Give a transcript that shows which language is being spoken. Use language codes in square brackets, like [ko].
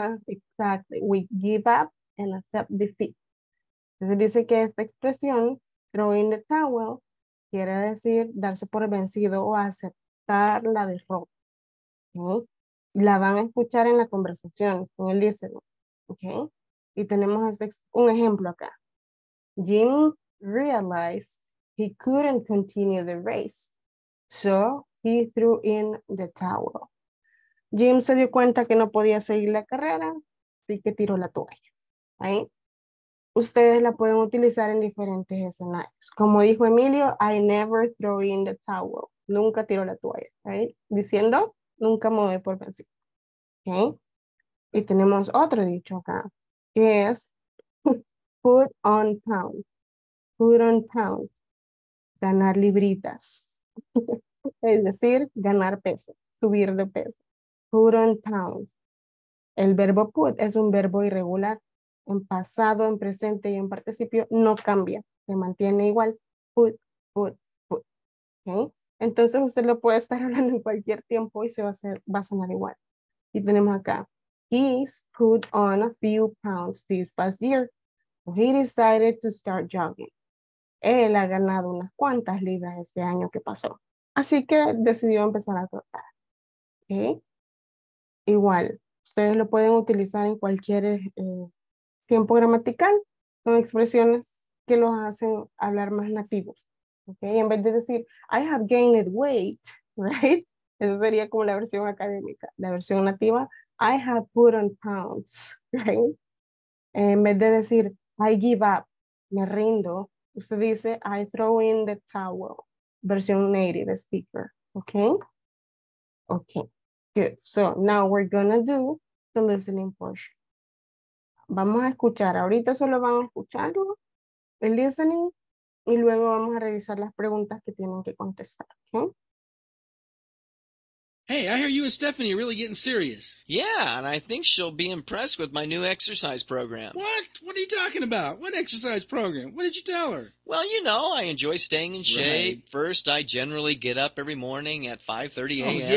[en] Exactly, we give up and accept defeat. [es] Entonces dice que esta expresión [en] Throwing the towel [es] quiere decir darse por vencido o aceptar la derrota. ¿Okay? La van a escuchar en la conversación con el listener. ¿Okay? Y tenemos un ejemplo acá. [en] Jimmy realized he couldn't continue the race, so he threw in the towel. [es] Jim se dio cuenta que no podía seguir la carrera, así que tiró la toalla. ¿Okay? Ustedes la pueden utilizar en diferentes escenarios. Como dijo Emilio, [en] I never throw in the towel. [es] Nunca tiro la toalla. ¿Okay? Diciendo, nunca me voy por vencido. ¿Okay? Y tenemos otro dicho acá, que es [en] put on pounds. Put on pounds. [es] Ganar libritas. Es decir, ganar peso, subir de peso. [en] Put on pounds. [es] El verbo put es un verbo irregular. En pasado, en presente y en participio, no cambia. Se mantiene igual. Put, put, put. ¿Okay? Entonces usted lo puede estar hablando en cualquier tiempo y va a sonar igual. Y tenemos acá. [en] He's put on a few pounds this past year. So he decided to start jogging. [es] Él ha ganado unas cuantas libras este año que pasó. Así que decidió empezar a trotar. ¿Okay? Igual, ustedes lo pueden utilizar en cualquier tiempo gramatical, son expresiones que los hacen hablar más nativos, ¿okay? [en] En vez de decir, I have gained weight, right? [es] Eso sería como la versión académica. La versión nativa, [en] I have put on pounds, [es] right? En vez de decir, [en] I give up, [es] me rindo, usted dice, [en] I throw in the towel, [es] versión native speaker, ¿okay? [en] Okay, good. So now we're gonna do the listening portion. [es] Vamos a escuchar, ahorita solo van a escuchar el listening y luego vamos a revisar las preguntas que tienen que contestar. [en] Hey, I hear you and Stephanie are really getting serious. Yeah, and I think she'll be impressed with my new exercise program. What? What are you talking about? What exercise program? What did you tell her? Well, you know, I enjoy staying in shape. Right. First, I generally get up every morning at 5:30 a.m.